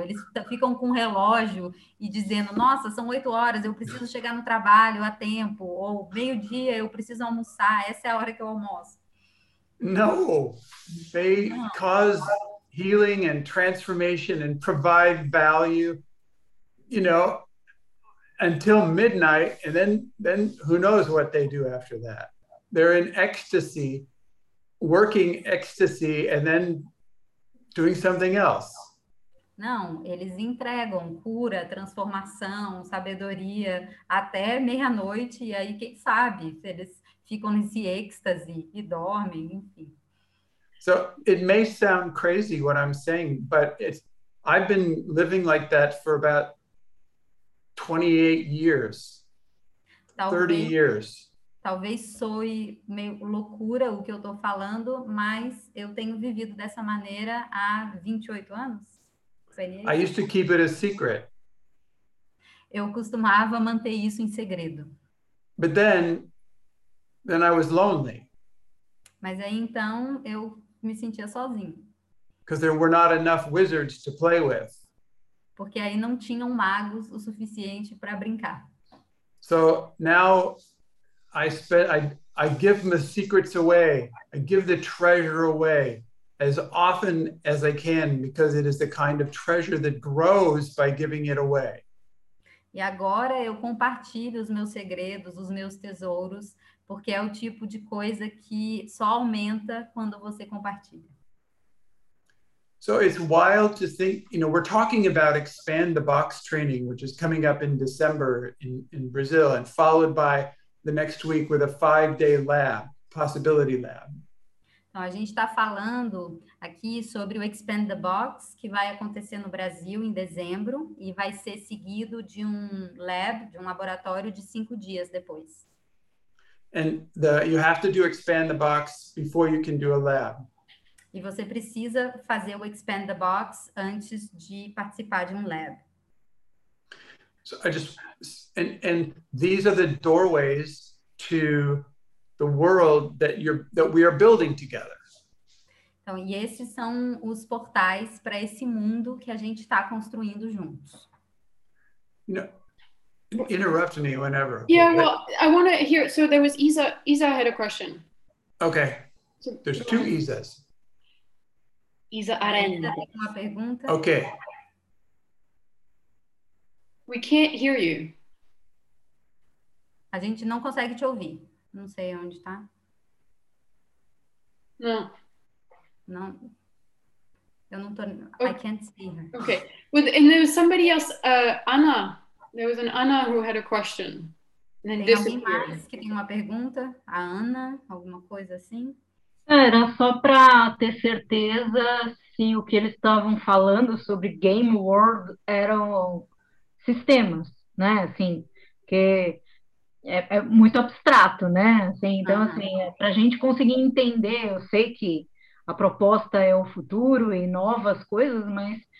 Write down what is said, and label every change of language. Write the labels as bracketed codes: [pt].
[pt] Eles ficam com um relógio e dizendo, nossa, são 8 horas, eu preciso chegar no trabalho a tempo, ou meio-dia, eu preciso almoçar, essa é a hora que eu almoço. Não, [en] they cause healing and transformation and provide value, you know, until midnight, and then who knows what they do after that. They're in ecstasy. Working ecstasy and then doing something else. [pt] Não, eles entregam cura, transformação, sabedoria até meia-noite e aí quem sabe se eles ficam nesse êxtase e dormem, enfim. [en] So it may sound crazy what I'm saying, but I've been living like that for about 28 years, 30 years. [pt] Talvez soe meio loucura o que eu estou falando, mas eu tenho vivido dessa maneira há 28 anos. [en] I used to keep it a secret. [pt] Eu costumava manter isso em segredo. [en] But then I was lonely. [pt] Mas aí então eu me sentia sozinho. [en] Because there were not enough wizards to play with. [pt] Porque aí não tinham magos o suficiente para brincar. [en] So now I give the secrets away. I give the treasure away as often as I can because it is the kind of treasure that grows by giving it away. [pt] E agora eu compartilho os meus segredos, os meus tesouros, porque é o tipo de coisa que só aumenta quando você compartilha. [en] So it's wild to think, you know, we're talking about Expand the Box training, which is coming up in December in Brazil and followed by the next week with a 5-day lab, possibility lab. [pt] Então, a gente está falando aqui sobre o Expand the Box, que vai acontecer no Brasil em dezembro e vai ser seguido de um lab, de um laboratório de 5 dias depois. [en] And you have to do Expand the Box before you can do a lab. [pt] E você precisa fazer o Expand the Box antes de participar de um lab. [en] So I just, and these are the doorways to the world that we are building together. [pt] Então, e esses são os portais para esse mundo que a gente está construindo juntos. [en] No, interrupt me whenever. Yeah, but, I want to hear. So there was Isa. Isa had a question. Okay. There's two Isas. Isa Arenda. [pt] Isa tem uma pergunta. [en] Okay. We can't hear you. [pt] A gente não consegue te ouvir. Não sei onde está. Não. Não. Eu não tô. [en] Okay. I can't see her. Okay. Well, and there was somebody else, Anna. There was an Anna who had a question. And then [pt] tem alguém mais que tem uma pergunta? A Anna, alguma coisa assim? Era só para ter certeza se o que eles estavam falando sobre Game World eram sistemas, né, assim, que é muito abstrato, né, assim, então, assim, para a gente conseguir entender, eu sei que a proposta é o futuro e novas coisas, mas